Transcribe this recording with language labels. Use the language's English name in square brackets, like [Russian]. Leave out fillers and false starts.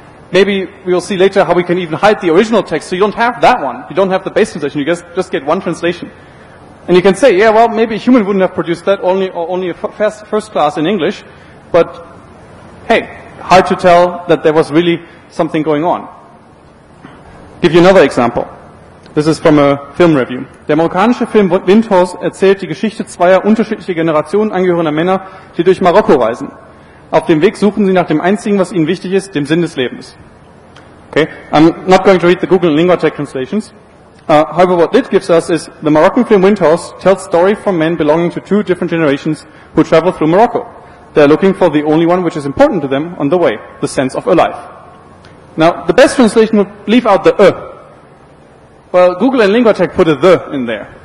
[English] maybe we'll see later how we can even hide the original text so you don't have that one. You don't have the base translation. You just get one translation. And you can say, yeah, well, maybe a human wouldn't have produced that, only a first class in English. But, hey, hard to tell that there was really something going on. Give you another example. This is from a film review. [German] Der marokkanische Film Windhoes erzählt die Geschichte zweier unterschiedlicher Generationen angehörender Männer, die durch Marokko reisen. Auf dem Weg suchen sie nach dem einzigen, was ihnen wichtig ist, dem Sinn des Lebens. [English] Okay, I'm not going to read the Google LinguaTech translations. However, what Lit gives us is the Moroccan film Windhoes tells story from men belonging to two different generations who travel through Morocco. They are looking for the only one which is important to them on the way, the sense of a life. Now, the best translation would leave out the Well, Google and LinguaTech put a the in there.